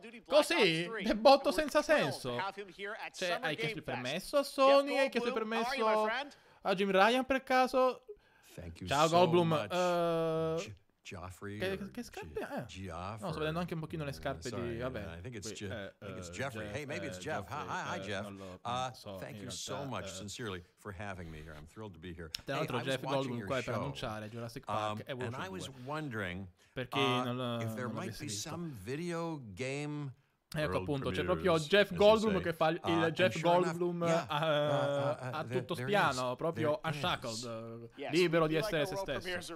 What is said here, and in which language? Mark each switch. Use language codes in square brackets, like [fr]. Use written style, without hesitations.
[it] Così, è botto senza senso. Cioè, hai chiesto il permesso a Sony? Hai chiesto il permesso a Jim Ryan per caso? Ciao Goldblum, Geoffrey. Che scarpe è? No, sto vedendo anche un pochino le scarpe di. Vabbè. [en] I think it's Geoffrey. Hey, maybe it's Jeff. Hi, Jeff. Thank you so much, sincerely, for having me here. I'm thrilled to be here. [it] Tra l'altro, Jeff Goldblum qua è per annunciare Jurassic Park e Wolf. [en] And I was wondering if there might be some video game. [it] Ecco appunto, c'è proprio Jeff Goldblum che fa il Jeff Goldblum a tutto spiano, proprio unshackled, libero di essere se stesso.